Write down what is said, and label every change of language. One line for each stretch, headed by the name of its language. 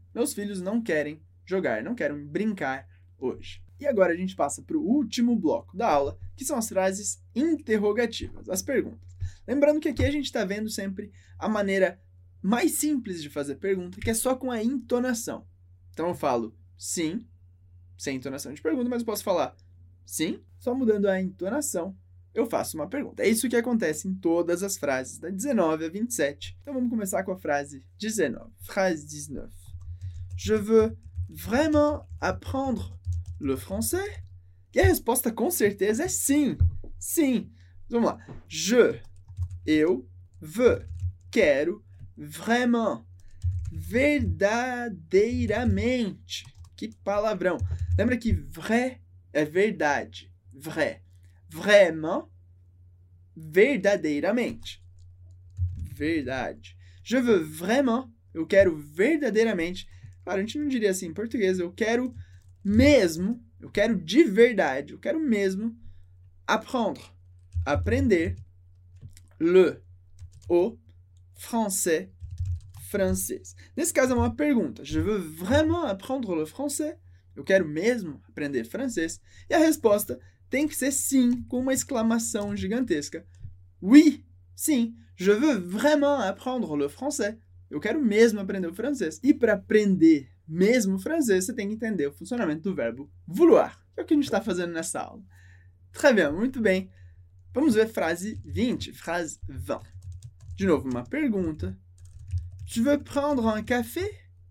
Portuguese: Meus filhos não querem jogar, não querem brincar hoje. E agora a gente passa para o último bloco da aula, que são as frases interrogativas, as perguntas. Lembrando que aqui a gente está vendo sempre a maneira mais simples de fazer pergunta, que é só com a entonação. Então eu falo sim, sem entonação de pergunta, mas eu posso falar sim, só mudando a entonação, eu faço uma pergunta. É isso que acontece em todas as frases, da 19 a 27. Então vamos começar com a frase 19. Frase 19.
French: Je veux vraiment apprendre le français?
Portuguese: E a resposta com certeza é sim. Sim. Vamos lá. Je, eu, veux, quero, vraiment, verdadeiramente. Que palavrão. Lembra que vrai é verdade. Vrai. Vraiment, verdadeiramente. Verdade. Je veux vraiment, eu quero verdadeiramente. Claro, a gente não diria assim em português. Eu quero mesmo, eu quero de verdade, eu quero mesmo apprendre, aprender le, o, français, francês. Nesse caso, é uma pergunta.
French: Je veux vraiment apprendre le français?
Portuguese: Eu quero mesmo aprender francês. E a resposta tem que ser sim, com uma exclamação gigantesca.
French: Oui,
Portuguese: sim,
French: je veux vraiment apprendre le français.
Portuguese: Eu quero mesmo aprender o francês. E para aprender mesmo o francês, você tem que entender o funcionamento do verbo vouloir, que é o que a gente está fazendo nessa aula.
French: Très bien,
Portuguese: muito bem. Vamos ver frase 20, frase 20. De novo, uma pergunta.
French: Tu veux prendre un café?